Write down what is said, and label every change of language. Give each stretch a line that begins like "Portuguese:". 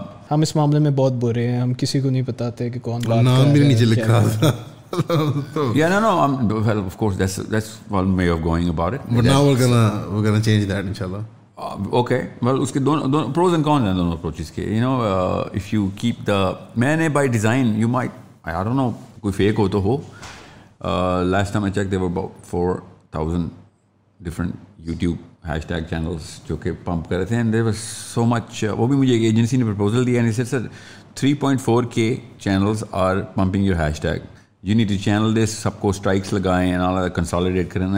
Hindi: हम इस मामले में बहुत बुरे हैं, हम किसी को नहीं बताते कि कौन बात कर रहा है. नाम भी नीचे लिखा था.
English: Yeah, no. Well, of course, that's one way of going about it. But now we're gonna change that, inshallah. Okay.
Hindi: Well, उसके दोनों
English: pros and cons
Hindi: हैं, दोनों approaches के.
English: You know, if you keep the मैंने by design, you might, I don't know.
Hindi: कोई fake हो तो हो.
English: last time I check, there were about 4,000 different YouTube hashtag channels
Hindi: जो कि पंप कर रहे थे,
English: And there was so much.
Hindi: वो भी मुझे एक एजेंसी ने प्रपोजल दिया,
English: and it said 3.4K channels are pumping your hashtag, you need to channel this,
Hindi: सबको स्ट्राइक्स लगाएं
English: and all that,
Hindi: कंसोलिडेट करें.